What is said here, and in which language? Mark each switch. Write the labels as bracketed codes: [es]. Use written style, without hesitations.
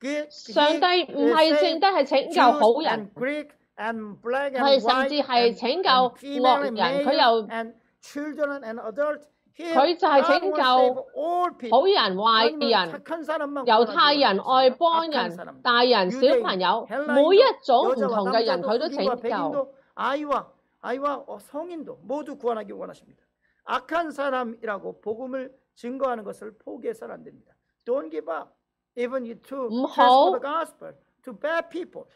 [yue] 上帝唔係淨得係拯救好人。 [en] And black and white, and female and male, and children and adults. He is God will save all people. [yue] 好人、坏人、犹太人、外邦人、大人、小朋友，每一种唔同嘅人，佢都拯救。 [ko] 아이와 성인도 모두 구원하기 원하십니다. 악한 사람이라고 복음을 증거하는 것을 포기해서는 안 됩니다. [en] Don't give up, even you to transfer the gospel to bad people.